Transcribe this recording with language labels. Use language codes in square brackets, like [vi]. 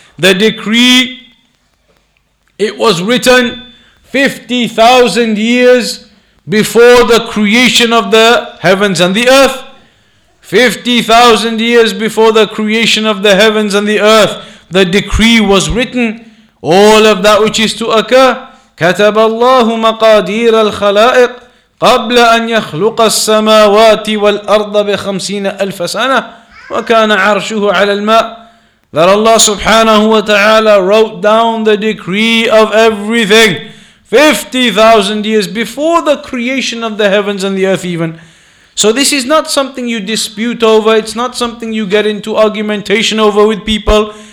[en] The decree, it was written 50,000 years before the creation of the heavens and the earth. 50,000 years before the creation of the heavens and the earth, the decree was written. All of that which is to occur, [ar] كتب الله مقادير الخلائق قبل أن يخلق السماوات والأرض بخمسين ألف سنة وكان عرشه على الماء. [en] That Allah subhanahu wa ta'ala wrote down the decree of everything 50,000 years before the creation of the heavens and the earth even. So this is not something you dispute over. It's not something you get into argumentation over with people.